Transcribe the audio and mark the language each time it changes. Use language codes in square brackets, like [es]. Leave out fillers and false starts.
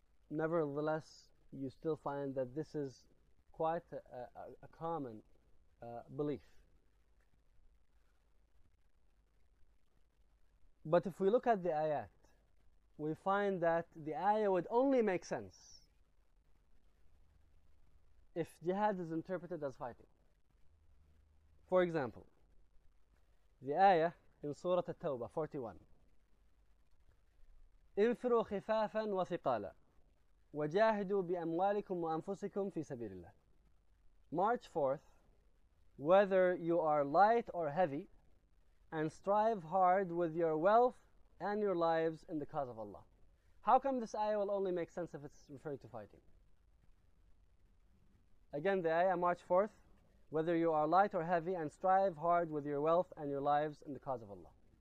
[en] Nevertheless, you still find that this is quite a common belief. But if we look at the ayat, we find that the ayah would only make sense if jihad is interpreted as fighting. For example, the ayah in Surah At-Tawbah 41, [ar] انفروا خفافا وثقالا وجاهدوا بأموالكم وأنفسكم في سبيل الله. [en] March forth, whether you are light or heavy, and strive hard with your wealth and your lives in the cause of Allah. How come this ayah will only make sense if it's referring to fighting? Again, the ayah, March forth, whether you are light or heavy, and strive hard with your wealth and your lives in the cause of Allah.